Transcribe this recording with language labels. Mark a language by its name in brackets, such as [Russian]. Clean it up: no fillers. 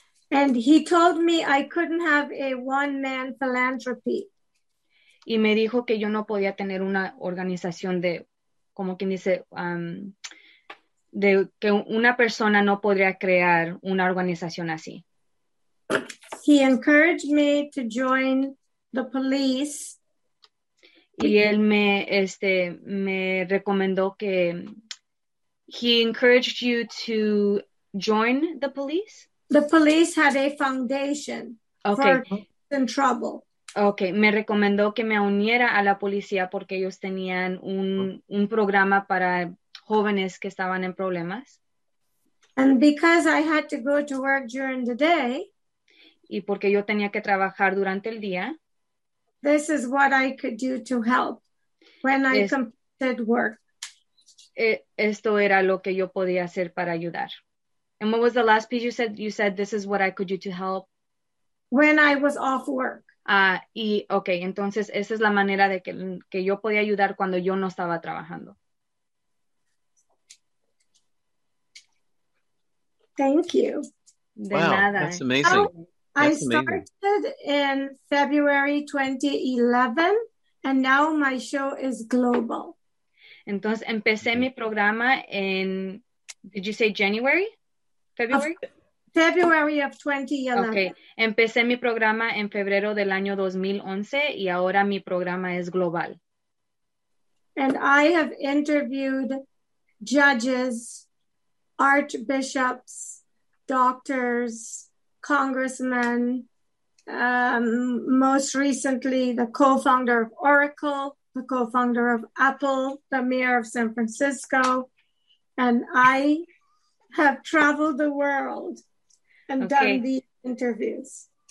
[English] And he told me I couldn't have a one-man philanthropy. [Spanish] Y me dijo que yo no podía tener una organización de, como quien dice, de que una persona no podría crear una organización así. [English] He encouraged me to join the police. [Spanish] Y él me, me recomendó que, he encouraged you to join the police? [English] The police had a foundation for in trouble. [Spanish] Okay, me recomendó que me uniera a la policía porque ellos tenían un programa para jóvenes que estaban en problemas. [English] And because I had to go to work during the day, [Spanish] y porque yo tenía que trabajar durante el día, [English] this is what I could do to help when I completed work. [Spanish] Esto era lo que yo podía hacer para ayudar. [English] And what was the last piece you said? You said, this is what I could do to help. When I was off work. [Spanish] Okay, entonces, esa es la manera de que yo podía ayudar cuando yo no estaba trabajando. [English] Thank you. [Spanish] De [English] wow, [Spanish] nada. [English] That's amazing. So, that's I started amazing. In February 2011, and now my show is global. [Spanish] Entonces, empecé mi programa en, did you say January? [English] February of 2011. [Spanish] Okay, empecé mi programa en febrero del año 2011 y ahora mi programa es global. [English] And I have interviewed judges, archbishops, doctors, congressmen, most recently the co-founder of Oracle, the co-founder of Apple, the mayor of San Francisco, and I have traveled the world and done the interviews.